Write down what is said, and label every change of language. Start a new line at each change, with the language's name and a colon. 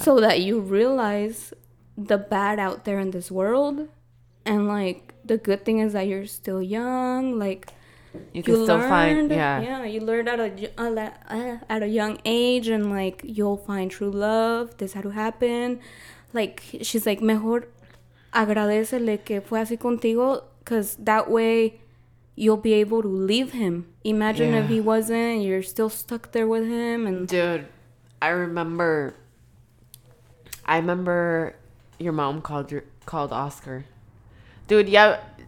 English: So that you realize the bad out there in this world. And, like, the good thing is that you're still young. Like, you can still find, yeah. Yeah, you learned at a young age. And, like, you'll find true love. This had to happen. Like, she's like,
Spanish: mejor agradecele que fue así contigo.
English: Because that way you'll be able to leave him. Imagine if he wasn't, you're still stuck there with him. And dude, I remember your mom called Oscar. Dude, yeah.